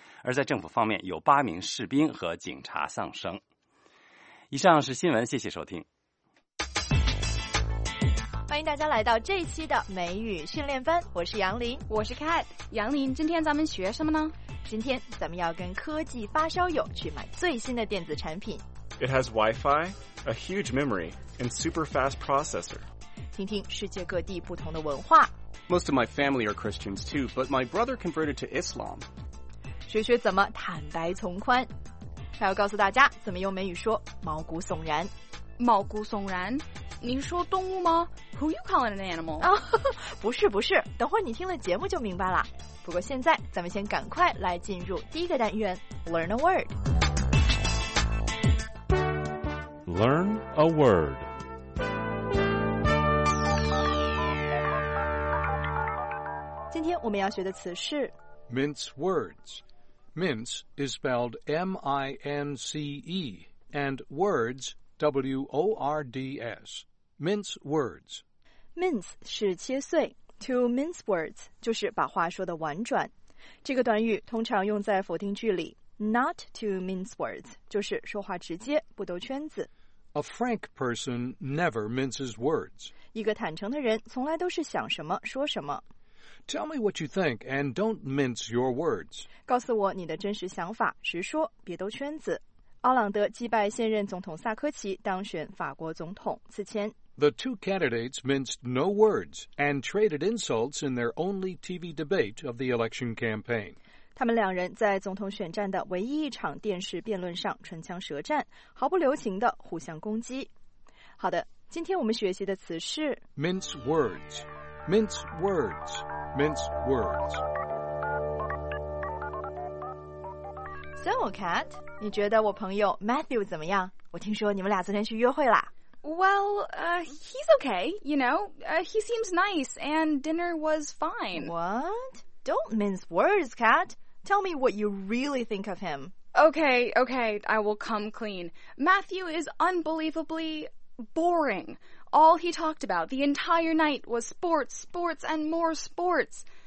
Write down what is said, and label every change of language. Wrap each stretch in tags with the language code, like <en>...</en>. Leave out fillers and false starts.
<zh>而在政府方面，有8名士兵和警察丧生。以上是新闻，谢谢收听。欢迎大家来到这一期的美语训练班，我是杨林，我是 Kat。杨林，今天咱们学什么呢？今天咱们要跟科技发烧友去买最新的电子产品。</zh> <en>It has Wi-Fi, a huge memory, and super fast processor.</en> <zh>听听世界各地不同的文化。</zh> <en>Most of my family are Christians too, but my brother converted to Islam.</en> <zh>学学怎么坦白从宽，他要告诉大家怎么用美语说毛骨悚然。毛骨悚然？您说动物吗？</zh> <en>Who you calling an animal?</en> <zh>不是不是，等会儿你听了节目就明白了。不过现在咱们先赶快来进入第一个单元，</zh> <en>Learn a word. Learn a word.</en> <zh>今天我们要学的词是</zh> <en>Mince words. Mince is spelled M-I-N-C-E and words W-O-R-D-S. Mince words.</en> <zh>Mince 是切碎，</zh> <en>to mince words</en> <zh>就是把话说得婉转。这个短语通常用在否定句里，</zh> <en>not to mince words</en> <zh>就是说话直接，不兜圈子。</zh> <en>A frank person never minces words.</en> <zh>一个坦诚的人从来都是想什么说什么。</zh> <en>Tell me what you think and don't mince your words.</en> <zh>告诉我你的真实想法，实说，别兜圈子。奥朗德击败现任总统萨科齐，当选法国总统。此前</zh> <en>The two candidates minced no words and traded insults in their only TV debate of the election campaign.</en> <zh>他们两人在总统选战的唯一一场电视辩论上唇枪舌战，毫不留情地互相攻击。好的，今天我们学习的词是</zh> <en>Mince words. Mince words. Mince words. So, Kat,</en> <zh>你觉得我朋友 Matthew 怎么样？我听说你们俩昨天去约会啦。</zh> <en>Well, he's okay, you know. He seems nice, and dinner was fine. What? Don't mince words, Kat. Tell me what you really think of him. Okay, okay, I will come clean. Matthew is unbelievably boring. All he talked about the entire night was sports, sports, and more sports.</en>